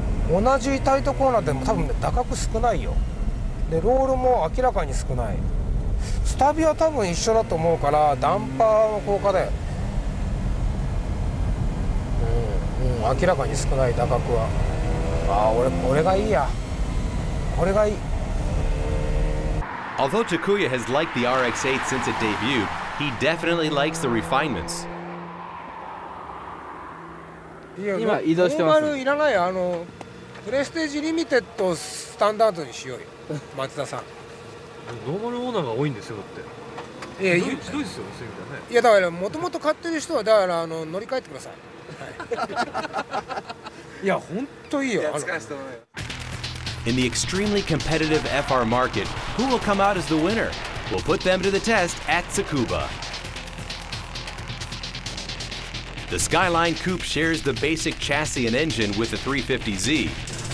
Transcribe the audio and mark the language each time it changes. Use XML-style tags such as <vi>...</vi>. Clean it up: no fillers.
<ja>同じタイトコーナーでも多分ね、打角少ないよ。でロールも明らかに少ない。スタビは多分一緒だと思うから、ダンパーの効果だよ。明らかに少ない打角は。ああ、これがいいや。これがいい。</ja> <en>Although Takuya has liked the RX-8 since it debuted, he definitely likes the refinements.</en> <ja>今移動してます。いらない、あのプレステージリミテッドスタンダードにしようよ、松田さん。ノーマルオーナーが多いんですよ、だって。いや、ひどいですよ、そういう意味だね。いや、だから元々買ってる人はだからあの乗り換えてください。いや、本当いいよ。</ja> <en>In the extremely competitive FR market, who will come out as the winner? We'll put them to the test at Tsukuba. The Skyline Coupe shares the basic chassis and engine with the 350Z.</en>